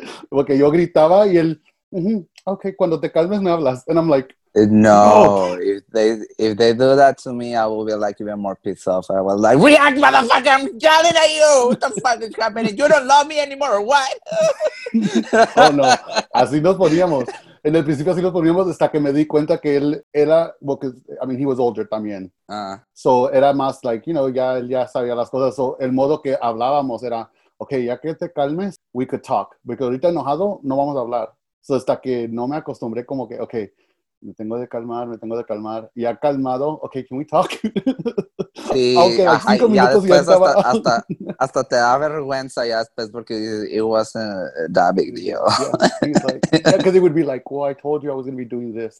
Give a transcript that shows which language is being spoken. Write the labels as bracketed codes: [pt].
[es] Porque yo gritaba y él mm-hmm, okay, cuando te calmes me hablas. [en] And I'm like, no, if they do that to me, I will be like even more pissed off. I was like, react, motherfucker, I'm yelling at you. What the fuck is happening? You don't love me anymore, what? [es] Oh, no. Así nos poníamos. En el principio así nos poníamos hasta que me di cuenta que él era, [en] because, I mean, he was older [es] también. So era más like, you know, ya él ya sabía las cosas. So el modo que hablábamos era, okay, ya que te calmes, [en] we could talk. [es] Porque ahorita enojado, no vamos a hablar. So hasta que no me acostumbré como que, okay, Me tengo de calmar. Y ha calmado. [en] Okay, can we talk? [es] Sí. Okay, ajá, cinco minutos ya después ya estaba... hasta te da vergüenza ya después porque [en] it wasn't that big deal. Yeah, because like, yeah, it would be like, well, I told you I was going to be doing this.